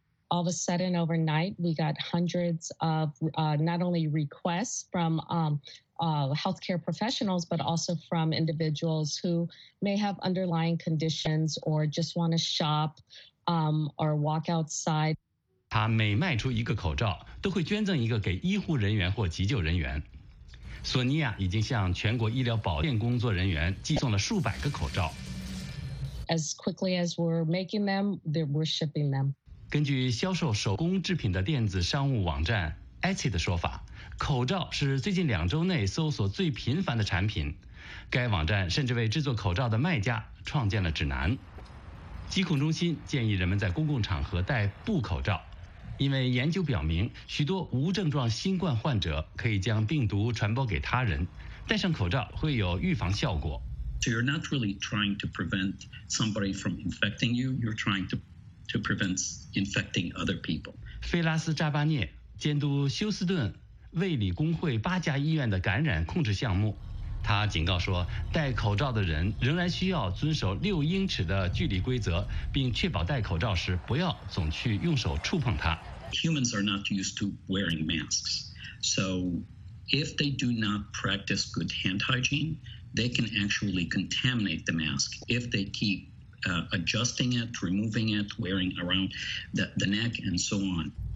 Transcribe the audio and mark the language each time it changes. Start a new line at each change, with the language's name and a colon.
English: All of a sudden, overnight, we got hundreds of not only requests from healthcare professionals, but also from individuals who may have underlying conditions or just want to shop or walk outside.
Chinese: 他每卖出一个口罩，都会捐赠一个给医护人员或急救人员。索尼亚已经向全国医疗保健工作人员寄送了数百个口罩。
English: As quickly as we're making them, we're shipping them.
Chinese: 根据销售手工制品的电子商务网站 Etsy 的说法，口罩是最近两周内搜索最频繁的产品。该网站甚至为制作口罩的卖家创建了指南。疾控中心建议人们在公共场合戴布口罩，因为研究表明，许多无症状新冠患者可以将病毒传播给他人，戴上口罩会有预防效果。
English: So you're not really trying to prevent somebody from infecting you. You're trying to prevent infecting other people.
Chinese: 菲拉斯扎巴涅监督休斯顿卫理公会8家医院的感染控制项目，他警告说，戴口罩的人仍然需要遵守6英尺的距离规则，并确保戴口罩时不要总去用手触碰它。
English: Humans are not used to wearing masks, so if they do not practice good hand hygiene, they can actually contaminate the mask if they keep adjusting it, removing it, wearing around the neck and so on.